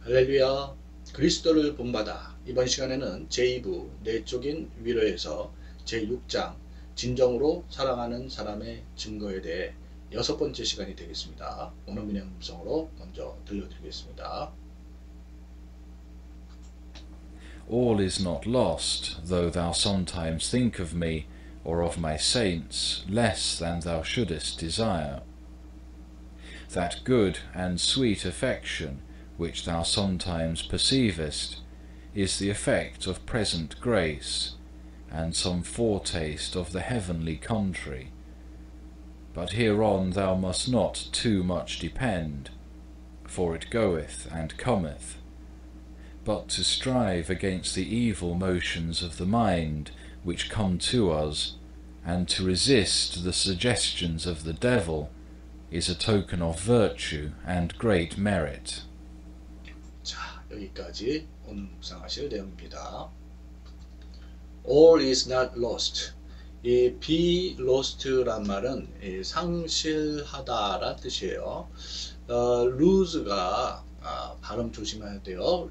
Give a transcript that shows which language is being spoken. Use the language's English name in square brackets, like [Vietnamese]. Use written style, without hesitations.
[Korean] 할렐루야, 그리스도를 본받아. 이번 시간에는 제2부, 내적인 위로에서 제6장, 진정으로 사랑하는 사람의 증거에 대해 여섯 번째 시간이 되겠습니다. 원어민의 음성으로 먼저 들려드리겠습니다. [English] All is not lost, though thou sometimes think of me, or of my saints, less than thou shouldest desire. That good and sweet affection, which thou sometimes perceivest, is the effect of present grace, and some foretaste of the heavenly country. But hereon thou must not too much depend, for it goeth and cometh. But to strive against the evil motions of the mind which come to us, and to resist the suggestions of the devil, is a token of virtue and great merit. [Korean] 여기까지 오늘 묵상하실 내용입니다. [English] All is not lost. [Korean] 이 [English] be lost [Korean] 란 말은 상실하다라는 뜻이에요. lose가 발음 조심해야 돼요.